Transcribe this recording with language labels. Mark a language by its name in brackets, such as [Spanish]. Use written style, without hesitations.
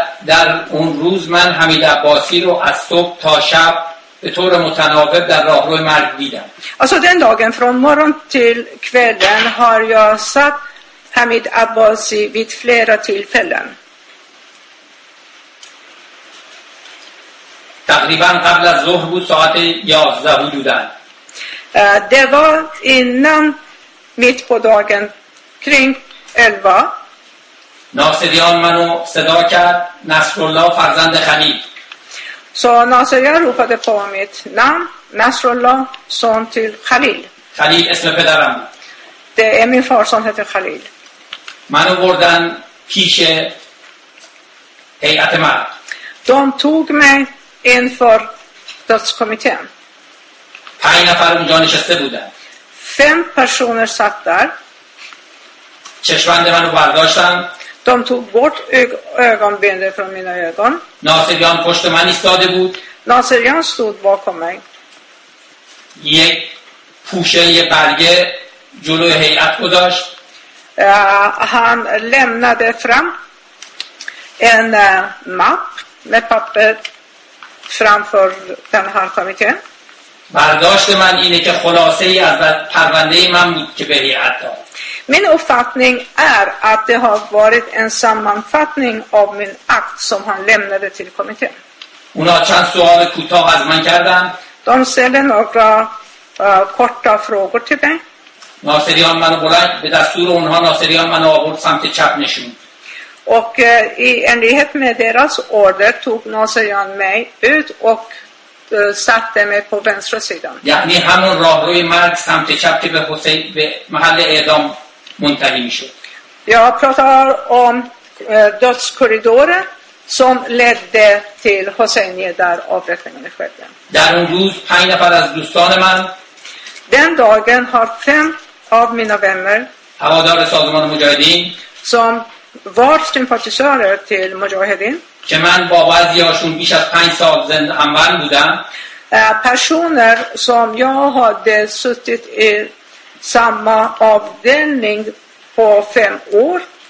[Persian] Där en rus man Hamid Abbasi ro az sob ta shab به طور متناوب در راه روی مرگ دیدم. [Swedish] Alltså den dagen från morgon till kvällen har jag satt Hamid Abbasi vid flera tillfällen. [Persian] تقریبا قبل از ظهر بود ساعت 11 حدودن. [Swedish] Det var innan mitt på dagen kring 11. [Persian] ناصریان منو صدا کرد نصرالله فرزند خلیل. [Swedish] Så Nasserian ropade på mitt namn, Nasrullah, son till Khalil. [Persian] Khalil, ismi pedaram. [Swedish] Det är min far som heter Khalil. [Persian] منو بردن پیش هیئت مرد. [Swedish] De tog mig inför dödskommittén. [Persian] 5 نفر اونجا نشسته بودن. [Swedish] 5 personer satt där. [Persian] چشمانده منو برداشتن. [Swedish] De tog bort ögonbindel från mina ögon. [Persian] ناصریان پشت من ایستاده بود. [Swedish] ناصریان stod bakom mig. [Persian] یک پوشه یه برگه جلوی هیئت گذاشت. [Swedish] Han lämnade fram en mapp med papper framför den här kommittén. [Persian] برداشت من اینه که خلاصه ای از پرونده من بود که به هیئت داد. [Swedish] Min uppfattning är att det har varit en sammanfattning av min akt som han lämnade till kommittén. [Persian] اونا چند سوال کوتاه از من کردن. [Swedish] De ställde några korta frågor till mig. [Persian] ناصریان منو بلند به دستور اونها ناصریان منو آورد سمت چپ نشون. [Swedish] Och i enlighet med deras order tog Nasirjan mig ut och satte mig på vänstra sidan. [Persian] یعنی همون راهروی مرگ سمت چپ که به حسین به محل اعدام منتهی میشد. [Swedish] Jag pratar om dödskorridoren som ledde till Hosseini där avrättningen skedde. [Persian] در اون روز 5 نفر از دوستان من [Swedish] den dagen har 5 av mina vänner [Persian] هوادار سازمان مجاهدین [Swedish] som var sympatisörer till Mujahedin. [Persian] که من با بعضی هاشون بیش از 5 سال زنده همبر بودم. [Swedish] Personer som jag hade suttit i samma avdelning på 5 år